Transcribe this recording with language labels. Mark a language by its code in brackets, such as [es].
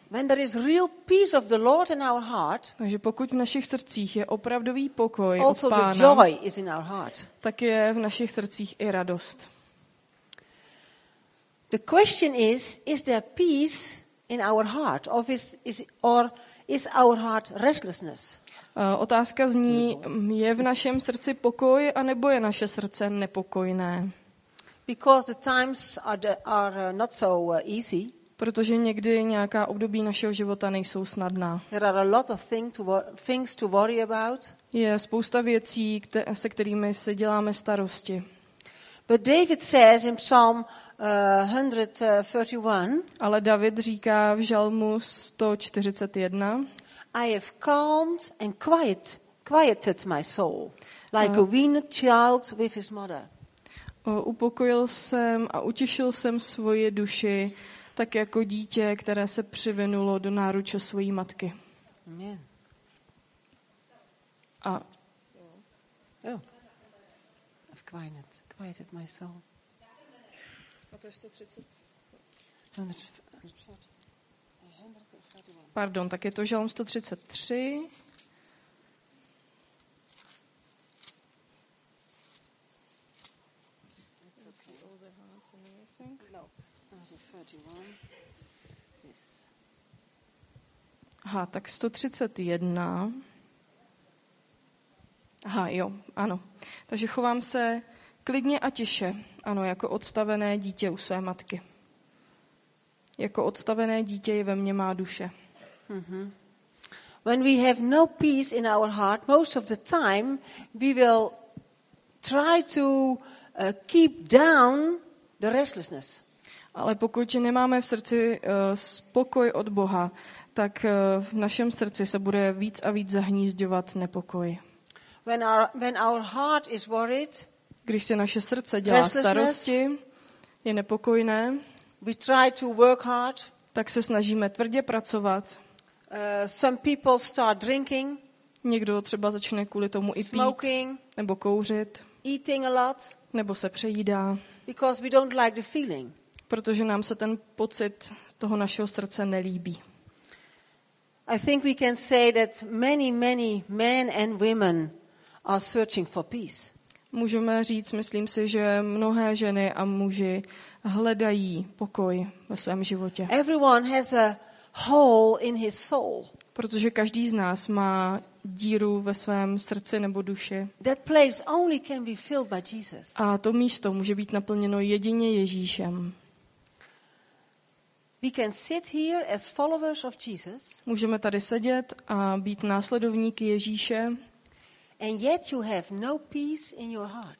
[en] When there is real peace of the Lord in our heart, [cs] takže pokud v našich srdcích je opravdový pokoj [en] also [cs] od Pána, [en] the joy is in our heart. [cs] Tak je v našich srdcích i radost. [en] The question is there peace in our heart or is our heart restlessness? [cs] Otázka zní, je v našem srdci pokoj a nebo je naše srdce nepokojné? [en] Because the times are not so easy. [cs] Protože někdy nějaká období našeho života nejsou snadná. [en] There are a lot of things to worry about. [cs] Je spousta věcí, se kterými se děláme starosti. [en] But David says in Psalm 131. [cs] Ale David říká v žalmu 141. [en] I have calmed and quieted my soul, like a weaned child with his mother. [cs] Upokojil jsem a utěšil jsem svoje duši, tak jako dítě, které se přivinulo do náruče své matky. [en] Amen. A. I've quieted my soul. [cs] Pardon, tak je to žalm 133. Aha, tak 131. Aha, jo, ano. Takže chovám se klidně a tiše. Ano, jako odstavené dítě u své matky. Jako odstavené dítě je ve mně má duše. [en] When we have no peace in our heart, most of the time we will try to keep down the restlessness. [cs] Ale pokud nemáme v srdci spokoj od Boha, tak v našem srdci se bude víc a víc zahnízďovat nepokoj. [en] When our heart is worried, [cs] když se naše srdce dělá starosti, je nepokojné, [en] we try to work hard, [cs] tak se snažíme tvrdě pracovat. [en] Some people start drinking, [cs] někdo třeba začne kvůli tomu i [en] smoking, [cs] pít, nebo kouřit, [en] eating a lot, [cs] nebo se přejídá, [en] because we don't like the feeling. [cs] Protože nám se ten pocit toho našeho srdce nelíbí. [en] I think we can say that many, many men and women are searching for peace. [cs] Můžeme říct, myslím si, že mnohé ženy a muži hledají pokoj ve svém životě. [en] Everyone has a hole in his soul. [cs] Protože každý z nás má díru ve svém srdci nebo duši. [en] That place only can be filled by Jesus. [cs] A to místo může být naplněno jedině Ježíšem. [en] We can sit here as followers of Jesus. [cs] Můžeme tady sedět a být následovníky Ježíše. [en] And yet you have no peace in your heart.